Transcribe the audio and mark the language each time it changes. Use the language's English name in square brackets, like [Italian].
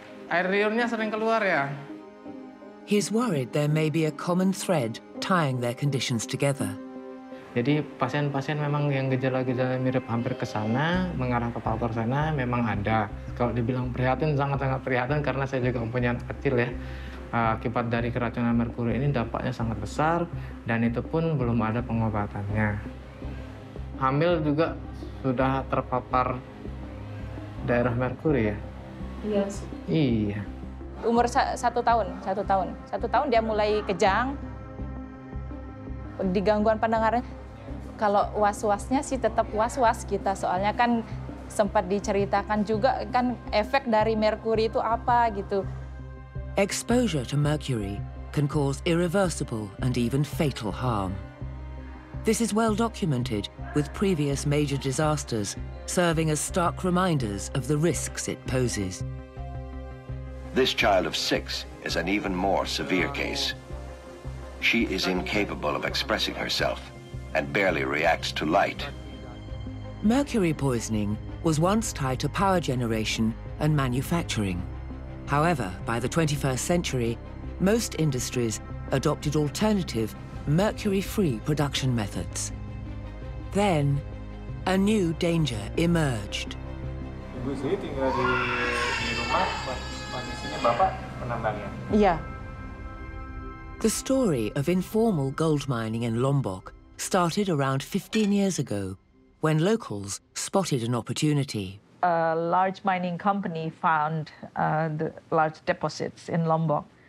[Indonesian] Air liurnya sering keluar ya. [English] He's worried there may be a common thread tying their conditions together. [Indonesian] Jadi pasien-pasien memang yang gejala-gejala mirip hampir ke sana, mengarah ke faktor sana memang ada. Kalau dibilang prihatin sangat-sangat prihatin karena saya juga mempunyai anak kecil ya. Akibat dari keracunan merkuri ini dampaknya sangat besar dan itu pun belum ada pengobatannya. Hamil juga sudah terpapar daerah merkuri ya? Iya. Iya. Umur satu tahun. Satu tahun dia mulai kejang. Di gangguan pendengaran, kalau was-wasnya sih tetap was-was kita. Soalnya kan sempat diceritakan juga kan efek dari merkuri itu apa gitu. [English] Exposure to mercury can cause irreversible and even fatal harm. This is well documented with previous major disasters, serving as stark reminders of the risks it poses. This child of six is an even more severe case. She is incapable of expressing herself and barely reacts to light. Mercury poisoning was once tied to power generation and manufacturing. However, by the 21st century, most industries adopted alternative, mercury-free production methods. Then, a new danger emerged. [Indonesian] Ibu saya tinggal di rumah, kondisinya bapak penambangnya. [English] Yeah. The story of informal gold mining in Lombok started around 15 years ago, when locals spotted an opportunity. A large mining company found the large deposits in Lombok.